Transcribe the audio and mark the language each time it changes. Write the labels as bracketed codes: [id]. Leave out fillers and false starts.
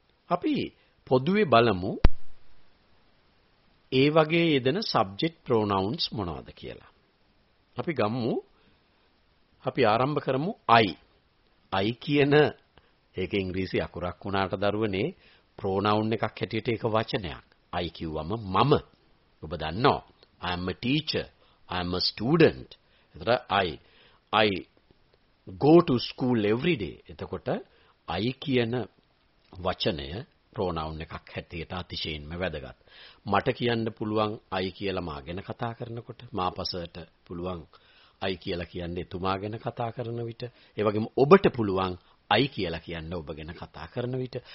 [si] අපි පොදුවේ බලමු ඒ වගේ යෙදෙන subject pronouns මොනවද කියලා. අපි ගමු අපි ආරම්භ කරමු I කියන ඒක ඉංග්‍රීසි අකුරක් වුණාට දරුවනේ pronoun එකක් හැටියට ඒක වචනයක්. I කියුවම මම ඔබ දන්නවා [en] I am a teacher, I am a student. [si] එතන [en] I go to school every day. [si] එතකොට I කියන වචනය pronoun එකක් හැටියට අතිශයින්ම වැදගත්. මට කියන්න පුළුවන් I කියලා මා ගැන කතා කරනකොට, මාපසට පුළුවන් I කියලා කියන්නේ තුමා ගැන කතා කරන විට, ඒ වගේම ඔබට පුළුවන් I කියලා කියන්න ඔබ ගැන කතා කරන විට.